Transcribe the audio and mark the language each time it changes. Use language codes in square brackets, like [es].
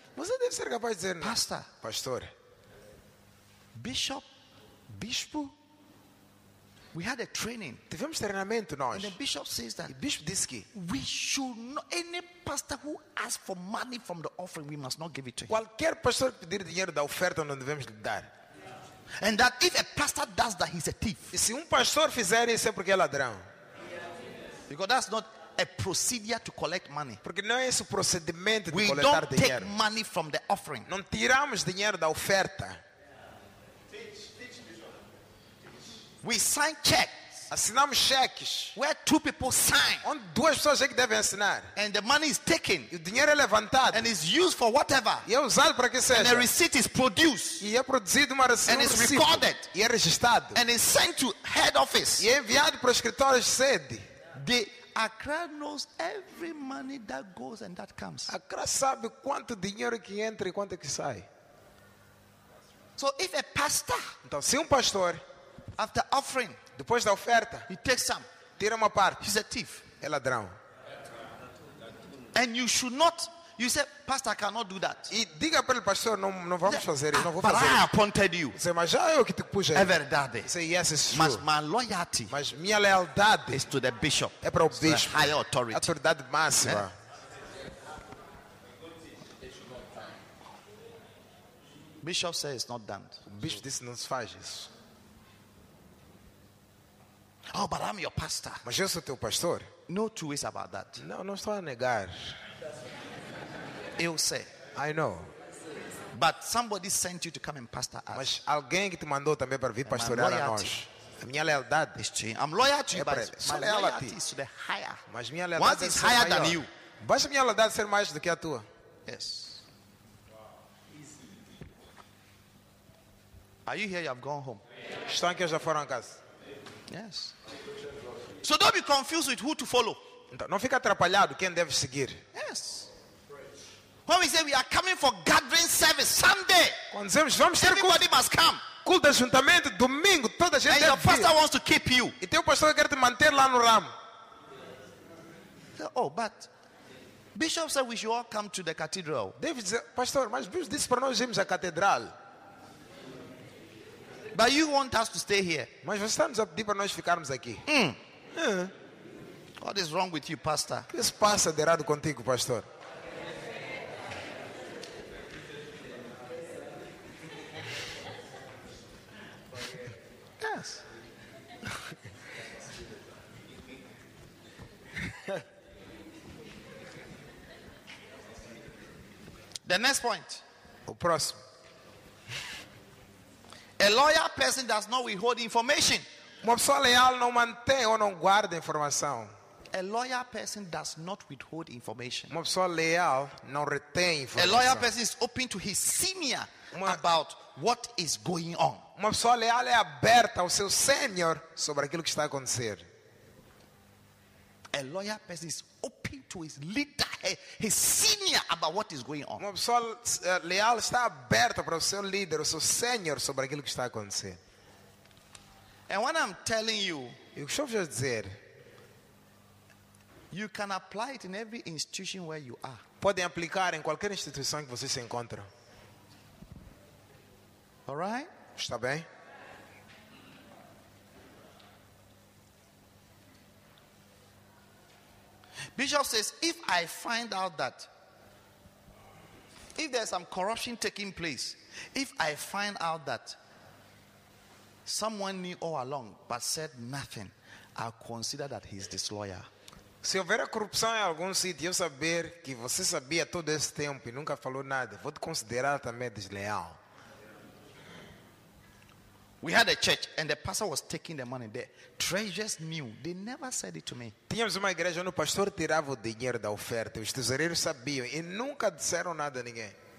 [pt] Você deve ser capaz de dizer, pastor. Pastor. [en] Bishop. [pt] Bispo. [en] We had a training. [pt] Tivemos treinamento nós. [en] And the bishop says that. [pt] E bispo disse que. [en] We should not. Any pastor who asks for money from the offering, we must not give it to him. [pt] Qualquer pastor que pedir dinheiro da oferta, não devemos lhe dar. [en] And that if a pastor does that, he's a thief. [pt] E se pastor fizer isso, é porque é ladrão. [en] Because that's not a procedure to collect money. [pt] Porque não é esse procedimento de [en] we [pt] coletar [en] don't [pt] dinheiro. [en] Take money from the offering. [pt] Não tiramos dinheiro da oferta. [en] We sign checks. [pt] Assinamos cheques. [en] Where two people sign. [pt] Onde duas pessoas é que devem assinar. [en] And the money is taken. [pt] E o dinheiro é levantado. [en] And is used for whatever. [pt] E é usado para que seja. [en] And a receipt is produced. [pt] E é produzido uma receita. [en] And is recorded. [pt] E é registrado. [en] And is sent to head office. [pt] E é enviado para o escritório de sede. [en] The Accra knows every money that goes and that comes. [pt] Accra sabe quanto dinheiro que entra e quanto que sai. [en] So if a pastor, [pt] então se pastor, [en] after offering, [pt] depois da oferta, [en] he takes some, [pt] tira uma parte, [en] he's a thief, [pt] é ladrão. [en] And you should not, You say, Pastor, I cannot do that. [pt] E diga para o pastor, não vamos fazer isso, não vou fazer. But I appointed you. Se mas já eu que te puxei. É verdade. [en] Say yes, it's true. [pt] Mas [en] my loyalty. [pt] Mas minha lealdade [en] is to the bishop. [pt] É para o bispo. [en] The higher authority. [pt] Autoridade máxima. [en] Yeah. Bishop says it's not done. Bishop, this is not fages. Oh, but I'm your pastor. [pt] Mas eu sou teu pastor. [en] No two ways about that. [pt] Não estou a negar. Eu sei. [en] I know. But somebody sent you to come and pastor us. [pt] Mas alguém que te mandou também para vir pastorear a nós. A minha lealdade [en] is to you. I'm loyal to you, but my loyalty is to the higher. [pt] Mas minha lealdade [en] is higher than you. [pt] Basta minha lealdade ser mais do que a tua. [en] Yes. Are you here? You have gone home. [pt] Estão aqui, já foram a casa. [en] Yes. So don't be confused with who to follow. [pt] Então, não fica atrapalhado quem deve seguir. [en] Yes. When we say we are coming for gathering service Sunday, [pt] dizemos, vamos ter [en] everybody must come. [pt] Culto de ajuntamento domingo, toda a gente. [en] And your pastor wants to keep you. [pt] E teu pastor quer te manter lá no ramo. [en] Oh, but Bishop said we should all come to the cathedral. [pt] David diz, pastor, mas Bishop disse para nós irmos à catedral. [en] But you want us to stay here. [pt] Mas você está-nos a pedir para nós ficarmos aqui. [en] What is wrong with you, pastor? [pt] O que se passa de errado contigo, pastor? [en] Yes. The next point. [pt] O próximo. [en] A loyal person does not withhold information. [pt] Uma pessoa leal não mantém ou não guarda informação. [en] A loyal person does not withhold information. [pt] Uma pessoa leal não retém informação. [en] A loyal person is open to his senior about what is going on. [pt] Uma pessoa leal é aberta ao seu senior sobre aquilo que está a acontecer. [en] A loyal person is open to his leader, his senior, about what is going on. [pt] Uma pessoa leal está aberta para o seu líder, o seu senior, sobre aquilo que está a acontecer. [en] And what I'm telling you, [pt] eu estou a dizer, [en] you can apply it in every institution where you are. [pt] Podem aplicar em qualquer instituição que você se encontra. [en] All right? [pt] Está bem? [en] Bishop says, if I find out that, if there's some corruption taking place, if I find out that someone knew all along but said nothing, I'll consider that he's disloyal. [pt] Se houver a corrupção em algum sítio, eu saber que você sabia todo esse tempo e nunca falou nada, vou te considerar também desleal. [en] We had a church and the pastor was taking the money. The treasurers knew. They never said it to me. [pt] Tínhamos uma igreja onde o pastor tirava o dinheiro da oferta. Os tesoureiros sabiam e nunca disseram nada a ninguém.